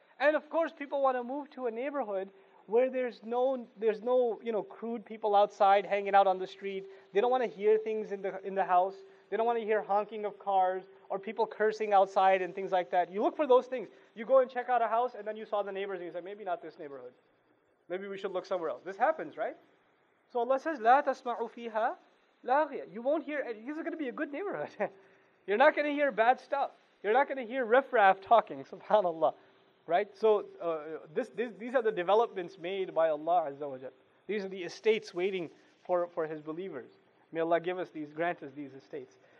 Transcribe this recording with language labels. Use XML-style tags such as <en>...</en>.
<en>And of course, people want to move to a neighborhood where there's no you know, crude people outside hanging out on the street. They don't want to hear things in the house. They don't want to hear honking of cars or people cursing outside and things like that. You look for those things. You go and check out a house and then you saw the neighbors and you say, maybe not this neighborhood. Maybe we should look somewhere else. This happens, right? So Allah says,</en> <ar>لا تسمعوا فيها لاغية.</ar> <en>You won't hear, this is going to be a good neighborhood. You're not going to hear bad stuff. You're not going to hear riffraff talking, subhanAllah. Right? So these are the developments made by Allah Azza wa Jal. These are the estates waiting for His believers. May Allah give us these, grant us these estates.</en>